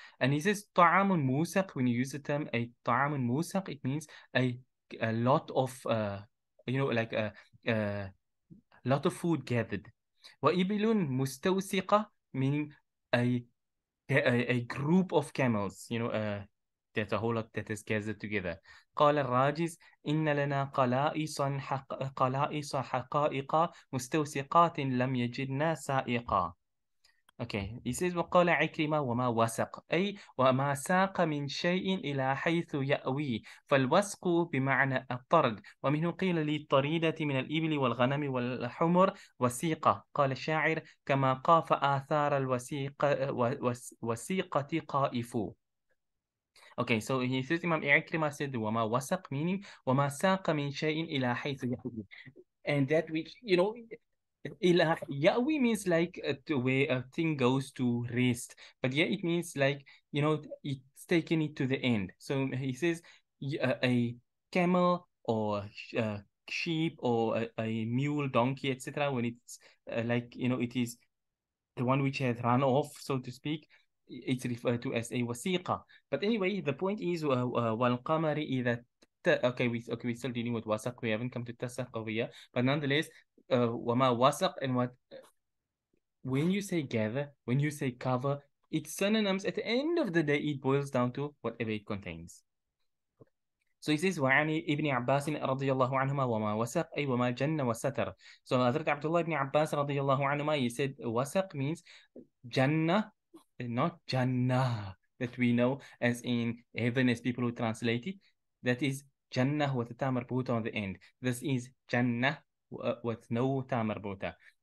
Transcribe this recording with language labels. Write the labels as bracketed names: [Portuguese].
[English] And he says, [Arabic] ta'amun musaq, [English] when you use the term a ta'amun musaq, it means a lot of, like a lot of food gathered. [Arabic] Wa ibilun mustawsiqa, [English] meaning a group of camels, that's a whole lot that is gathered together. [Arabic] قال الراجز إن لنا قلائص قلائص حقائق مستوسقات لم يجدنا سائقا. [English] Okay, he says [Arabic] وقال عكرمة وما وسق أي وما ساق من شيء إلى حيث يأوي فالوسق بمعنى الطرد ومنه قيل للطريدة من الإبل والغنم والحمر وسيقة قال الشاعر كما قاف آثار الوسيقة وسيقتي قائفو. [English] Okay, so he says Imam Ikrimah said wama wasaq, meaning [Arabic] wama saqa min shay'in ila haythu yahwi, [English] and that which ila yahwi means like the way a thing goes to rest, but yeah, it means like it's taken it to the end. So he says a camel or a sheep or a mule, donkey, etc., when it's it is the one which has run off, so to speak, it's referred to as a wasiqa. But anyway, the point is walqamari idha okay we still dealing with wasaq, we haven't come to tasaq over here, but nonetheless wama wasaq and what, when you say gather, when you say cover, it's synonyms. At the end of the day, it boils down to whatever it contains. So he says, [Arabic] وعن ابن عباس رضي الله عنهما وما وسق أي وما جن وستر. [English] So Hazrat Abdullah ibn Abbas رضي الله عنهما, he said, وسق means Jannah, not Jannah that we know as in heaven as people who translate it. That is Jannah with a ta marbuta on the end. This is Jannah with no ta marbuta.